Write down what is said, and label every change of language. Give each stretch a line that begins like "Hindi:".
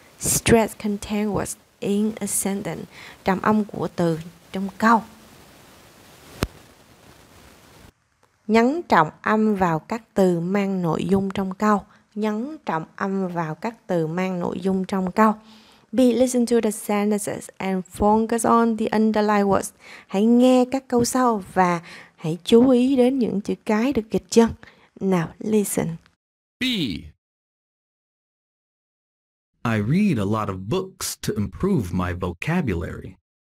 English: Stress contained words in a sentence.
Vietnamese: Trầm âm của từ trong câu. Nhấn trọng âm vào các từ mang nội dung trong câu.
English: B, listen to the sentences and focus on the underlying words.
Vietnamese: Hãy nghe các câu sau và hãy chú ý đến những chữ cái được dịch chân.
English: Now, listen. B. I read a lot of books to improve my vocabulary.